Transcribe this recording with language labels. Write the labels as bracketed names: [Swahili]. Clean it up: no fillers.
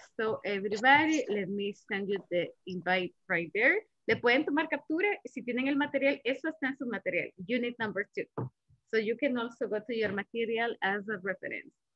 [English] So everybody, let me send you the invite right there. [Spanish] Le pueden tomar captura. Si tienen el material, eso está en su material. [English] Unit number two. So you can also go to your material as a reference.